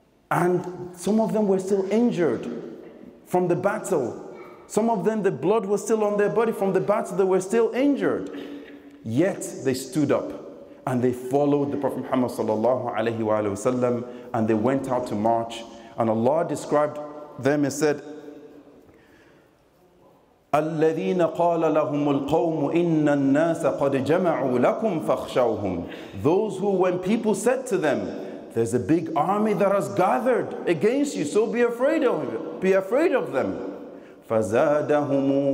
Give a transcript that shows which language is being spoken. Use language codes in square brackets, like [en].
[en] And some of them were still injured from the battle. Some of them, the blood was still on their body from the battle, they were still injured. Yet they stood up and they followed the Prophet Muhammad sallallahu alayhi wa alayhi wa sallam, and they went out to march. And Allah described them and said, [ar] الَّذِينَ قَالَ لَهُمُ الْقَوْمُ إِنَّ النَّاسَ قَدْ جَمَعُوا لَكُمْ فَخْشَوْهُمْ. [en] Those who, when people said to them, "There's a big army that has gathered against you, so be afraid of them." [ar] فَزَادَهُمُ